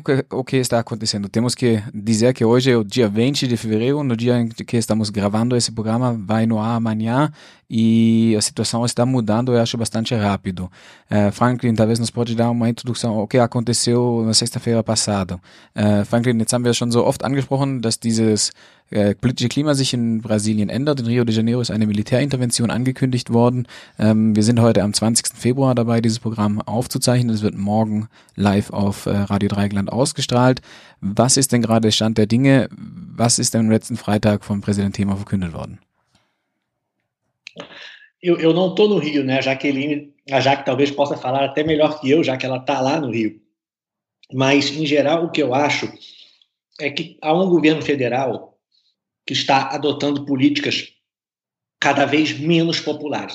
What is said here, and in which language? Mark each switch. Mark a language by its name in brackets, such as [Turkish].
[Portuguese] O que está acontecendo? Temos que dizer que hoje é o dia 20 de fevereiro, no dia em que estamos gravando esse programa, vai no ar amanhã e a situação está mudando, eu acho, bastante rápido. Franklin, talvez nos pode dar uma introdução ao que aconteceu na sexta-feira passada. [German] Franklin, jetzt haben wir schon so oft angesprochen, dass dieses politische Klima sich in Brasilien ändert. In Rio de Janeiro ist eine Militärintervention angekündigt worden. Wir sind heute am 20. Februar dabei, dieses Programm aufzuzeichnen. Es wird morgen live auf Radio Dreieckland ausgestrahlt. Was ist denn gerade der Stand der Dinge? Was ist denn letzten Freitag vom Präsident Temer verkündet worden? [Portuguese] Eu não tô no Rio, né? Jaqueline, a Jaque talvez possa falar até melhor que eu, já que ela tá lá no Rio. Mas, em geral, o que eu acho é que há governo federal que está adotando políticas cada vez menos populares.